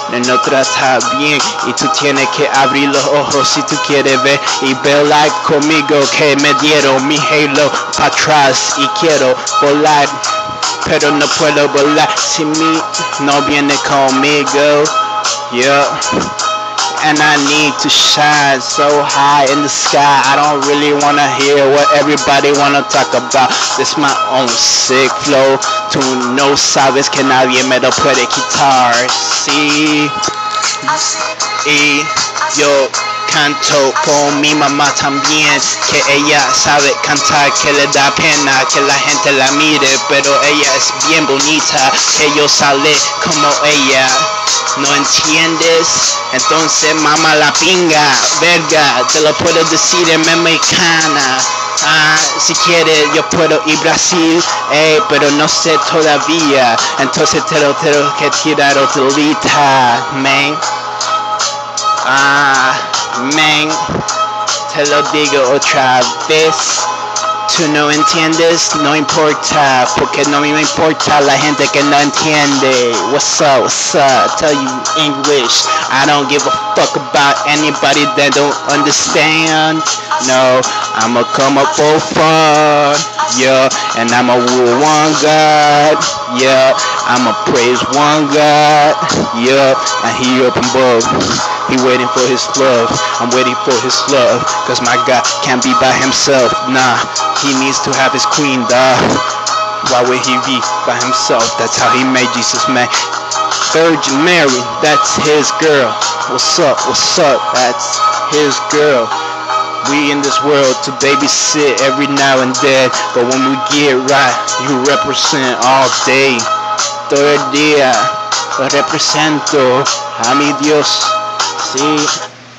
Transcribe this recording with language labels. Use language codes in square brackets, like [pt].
[es] No trata bien. Y tú tienes que abrir los ojos si tú quieres ver. Y ver like conmigo que me dieron mi halo pa' atrás. Y quiero volar, pero no puedo volar si mi no viene conmigo. [en] Yeah. And I need to shine so high in the sky. I don't really wanna hear what everybody wanna talk about. This my own sick flow. [es] Tú no sabes que nadie me lo puede quitar. Sí. Y yo canto por mi mamá también. Que ella sabe cantar, que le da pena que la gente la mire. Pero ella es bien bonita, que yo sale como ella. ¿No entiendes? Entonces mama la pinga, verga, te lo puedo decir en mexicana. Ah, si quieres yo puedo ir a Brasil, ey, pero no sé todavía. Entonces te lo tengo que tirar otro lita, man. Ah, man, te lo digo otra vez. Tú no entiendes, no importa, porque no me importa la gente que no entiende. [en] What's up, tell you English. I don't give a fuck about anybody that don't understand. No, I'ma come up for fun, yeah. And I'ma woo one God, yeah. I'ma praise one God, yeah. And he up above. He waiting for his love, I'm waiting for his love. Cause my God can't be by himself, nah. He needs to have his queen, duh. Why would he be by himself? That's how he made Jesus, man. Virgin Mary, that's his girl. What's up, that's his girl. We in this world to babysit every now and then. But when we get right, you represent all day. [es] Todo el día, represento a mi Dios. See?